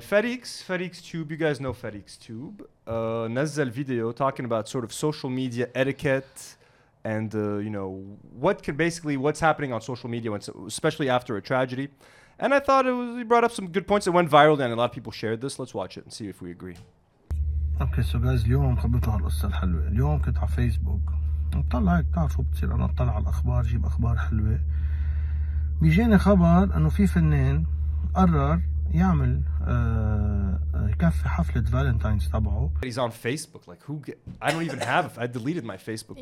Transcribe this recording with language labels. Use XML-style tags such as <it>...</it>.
<en>FedEx Tube. You guys know FedEx Tube.</en> <ar>نزل</ar> <en>video talking about sort of social media etiquette and you know what can basically what's happening on social media, when, especially after a tragedy. And I thought it was, he brought up some good points. It went viral and a lot of people shared this. Let's watch it and see if we agree.</en> <ar>اوكي سو جايز اليوم خبطوا هالقصة الحلوة اليوم كنت على فيسبوك اطلع هيك بتعرفوا بتصير انا اطلع على الاخبار جيب اخبار حلوة بيجيني خبر انه في فنان قرر يعمل يكفي حفلة فالنتاينز تبعه</ar> <en>He's on Facebook like who I don't even have I deleted my Facebook bro.</en>